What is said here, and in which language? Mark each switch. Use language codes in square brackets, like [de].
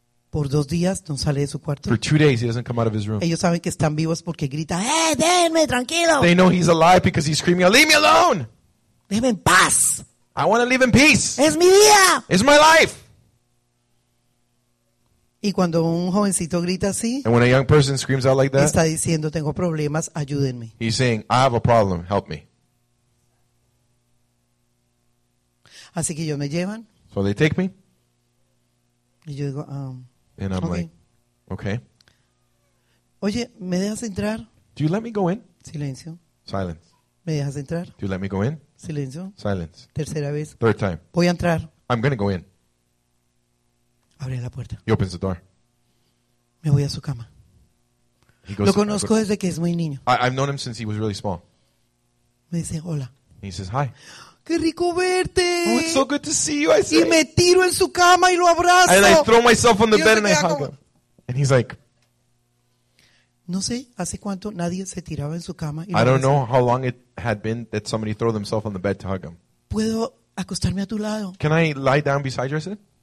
[es] Por dos días no sale de su cuarto. [en] For two days he doesn't come out of his room. [es] Ellos saben que están vivos porque grita, ¡eh, déjenme tranquilo! [en] They know he's alive because he's screaming, ¡leave me alone! [es] ¡Déjenme en paz! [en] I want to live in peace. [es] ¡Es mi día! [en] It's my life. [es] Y cuando un jovencito grita así, [en] and when a young person screams out like that, [es] está diciendo, tengo problemas, ayúdenme. [en] He's saying, I have a problem, help me. [es] Así que ellos me llevan. [en] So they take me. [es] Y yo digo, [en] and I'm okay. [es] Oye, ¿me dejas entrar? [en] Do you let me go in? [es] Silencio. [en] Silence. [es] ¿Me dejas entrar? [en] Do you let me go in? [es] Silencio. [en] Silence. [es] Tercera vez. [en] Third time. [es] Voy a entrar. [en] I'm going to go in. [es] Abre la puerta. [en] He opens the door. [es] Me voy a su cama. Lo conozco desde que es muy niño. [en] I've known him since he was really small. [es] Me dice hola. [en] And he says hi. [es] Qué rico verte. [en] Oh, it's so good to see you. I say. [es] Y me tiro en su cama y lo abrazo. [en] And I throw myself on the bed and I hug him. And he's like, [es] no sé, hace cuánto nadie se tiraba en su cama. Y [en] I don't know how long it had been that somebody threw themselves on the bed to hug him. [es] Puedo acostarme a tu lado. [en] Can I lie down beside you? I said.